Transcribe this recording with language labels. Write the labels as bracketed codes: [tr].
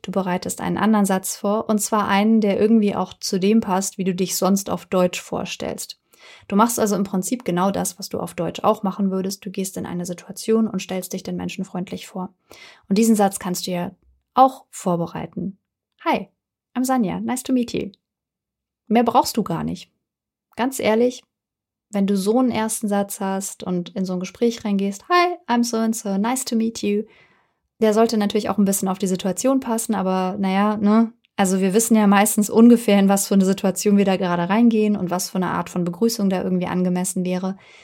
[de] Du bereitest einen anderen Satz vor, und zwar einen, der irgendwie auch zu dem passt, wie du dich sonst auf Deutsch vorstellst. Du machst also im Prinzip genau das, was du auf Deutsch auch machen würdest. Du gehst in eine Situation und stellst dich den Menschen freundlich vor. Und diesen Satz kannst du ja auch vorbereiten. [en] Hi, I'm Sanja, nice to meet you. [de] Mehr brauchst du gar nicht. Ganz ehrlich, wenn du so einen ersten Satz hast und in so ein Gespräch reingehst, [en] hi, I'm so and so, nice to meet you, [de] der sollte natürlich auch ein bisschen auf die Situation passen, aber naja, ne? Also wir wissen ja meistens ungefähr, in was für eine Situation wir da gerade reingehen und was für eine Art von Begrüßung da irgendwie angemessen wäre.